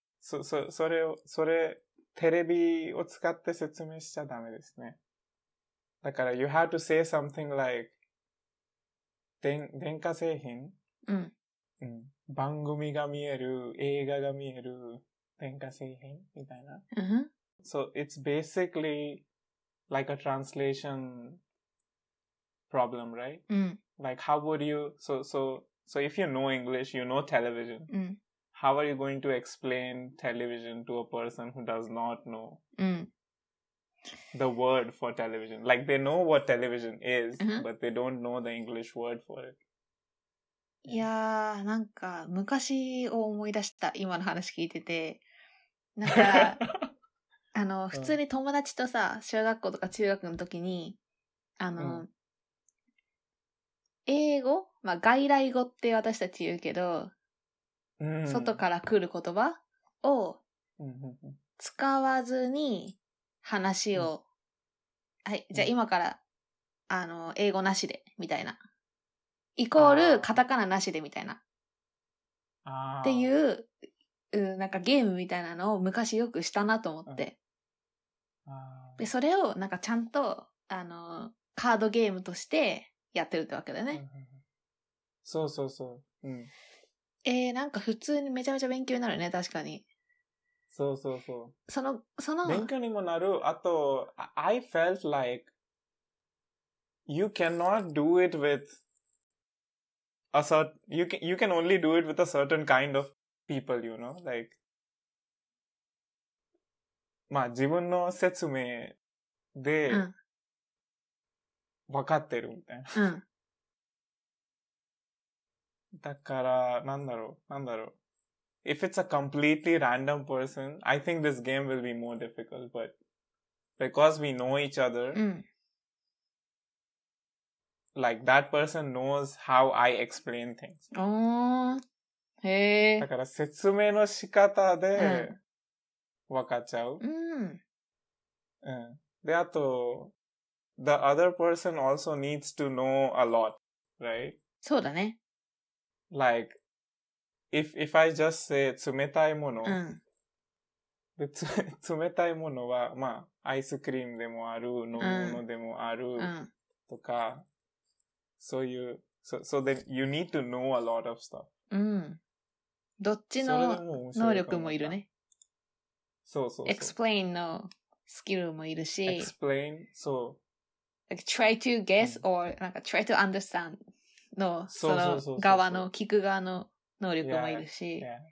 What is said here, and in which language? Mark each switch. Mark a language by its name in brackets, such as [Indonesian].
[Japanese] それ、テレビを使って説明しちゃダメですね。 [English] だから、you have to say something like 電化製品、 [Japanese] うん、うん。番組が見える、映画が見える、電化製品みたいな。 [English] Uh-huh. So it's basically like a translation problem, right?、 Mm. Like how would you, so, so, So if you know English, you know television. Mm. How are you going to explain television to a person who does not know the word for television? Like, they know what television is, mm-hmm. but they don't know the English word for it. [Japanese] いやなんか昔を思い出した今の話聞いててなんかあの普通に友達とさ小学校とか中学の時にあの、うん、英語、まあ、外来語って私たち言うけど、うん、外から来る言葉を使わずに話を、うん、はいじゃあ今からあの英語なしでみたいなイコールカタカナなしでみたいなっていう、うん、なんかゲームみたいなのを昔よくしたなと思って、あでそれをなんかちゃんとあのカードゲームとしてやってるってわけだね。そうそうそう。うん、なんか普通にめちゃめちゃ勉強になるね確かに。そうそうそう。その勉強にもなる。あと [English] I felt like you cannot do it withYou can only do it with a certain kind of people, you know? [Japanese] Like, まあ自分の説明で分かってるみたいな。うん、だから、なんだろう。 [English] If it's a completely random person, I think this game will be more difficult, but because we know each other,、 [Japanese] うん [English] Like, that person knows how I explain things. Oh, hey. [Japanese] だから説明の仕方で分かっちゃう。 [English] Mm. [Japanese] うん。で、あと、 [English] the other person also needs to know a lot, right? [Japanese] そうだね。 [English] Like, if I just say [Japanese] 冷たいもの、 [English] mm. [Japanese] で、冷たいものは、まあ、アイスクリームでもある、飲み物でもある、 [English] mm. [Japanese] とか、 [English] So you, so then you need to know a lot of stuff. [Japanese] うん。どっちの能力もいるね。そう。 Explain のスキルもいるし。 [English] Explain, so. Like try to guess、 [Japanese] うん、or なんか [English] try to understand [Japanese] のその側の聞く側の能力もいるし。